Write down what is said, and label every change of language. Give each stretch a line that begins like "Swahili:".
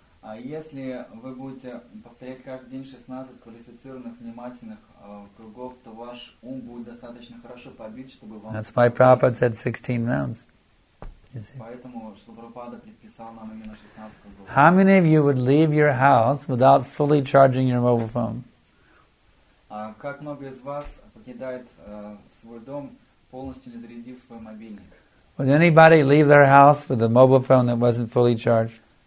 Russian: А если вы будете повторять каждый день 16 квалифицированных внимательных кругов, то ваш ум будет достаточно хорошо побит, чтобы вам.
English: That's why Prabhupada said 16 rounds.
Russian: Поэтому Шрила Прабхупада предписал нам именно 16 кругов.
English: How many of you would leave your house without fully charging your mobile phone?
Russian: А как много из вас покидает свой дом полностью не зарядив свой мобильник?
English: Would anybody leave their house with a mobile phone that wasn't fully charged?